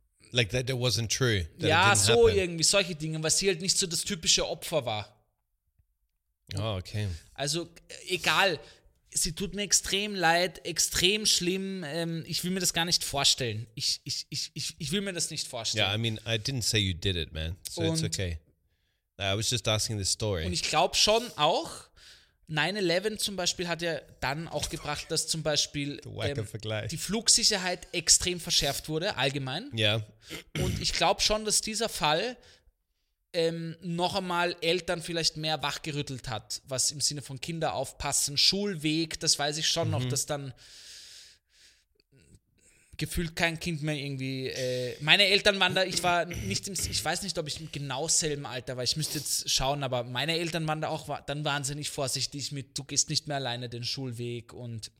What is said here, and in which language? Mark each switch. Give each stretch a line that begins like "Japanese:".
English: Like that it wasn't true. That ja, so happen.
German: Irgendwie, solche Dinge, weil sie halt nicht so das typische Opfer war.
English: Oh, okay.
German: Also, egal, sie tut mir extrem leid, extrem schlimm. Ich will mir das gar nicht vorstellen. Ich will mir das nicht vorstellen.
English: Yeah, I mean, I didn't say you did it, man.
German: So und,
English: it's okay. I was just asking the story.
German: Und ich glaube schon auch, 9-11 zum Beispiel hat ja dann auch gebracht, dass zum Beispiel die Flugsicherheit extrem verschärft wurde, allgemein. Ja.
English: Yeah.
German: Und ich glaube schon, dass dieser Fall noch einmal Eltern vielleicht mehr wachgerüttelt hat, was im Sinne von Kinder aufpassen, Schulweg, das weiß ich schon noch, dass dann gefühlt kein Kind mehr irgendwie, meine Eltern waren da, ich war nicht im, ich weiß nicht, ob ich im genau selben Alter war, ich müsste jetzt schauen, aber meine Eltern waren da auch dann wahnsinnig vorsichtig mit, du gehst nicht mehr alleine den Schulweg und.